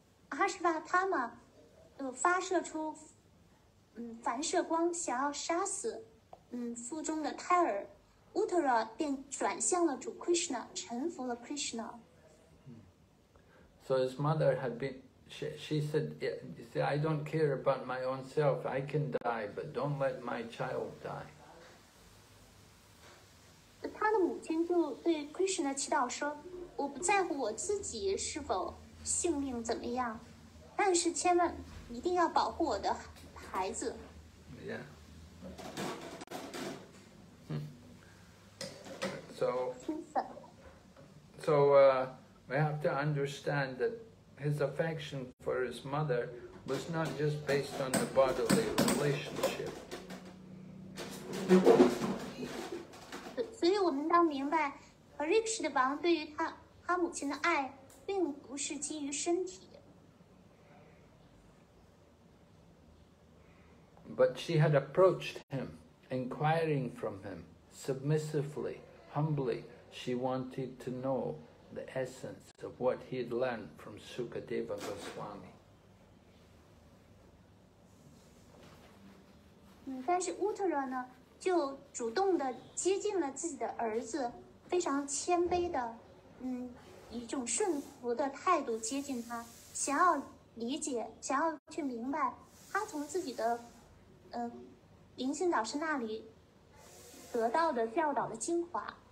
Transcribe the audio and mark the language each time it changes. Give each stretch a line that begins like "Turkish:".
Chinese: Ashwatthama 发射出反射光，想要杀死腹中的胎儿。 Uttara 便转向了主 Krishna， 臣服了 Krishna。
English: So his mother had been, she said, you see, I don't care about my own self, I can die, but don't let my child die.
Chinese: 他的母亲就对 Krishna 祈祷说，我不在乎我自己是否性命怎么样，但是千万一定要保护我的孩子。
English: Yeah. So we have to understand that his affection for his mother was not just based on the bodily relationship.
Chinese: 所以我们当明白 Parikshit 王对于他母亲的爱并不是基于身体。
English: But she had approached him, inquiring from him, submissively. Humbly, she wanted to know the essence of what he had learned from Sukadeva Goswami.
Chinese: 但是 Uttara 呢就主动的接近了自己的儿子，非常谦卑的一种顺服的态度接近他，想要理解，想要去明白他从自己的灵性导师那里得到的教导的精华。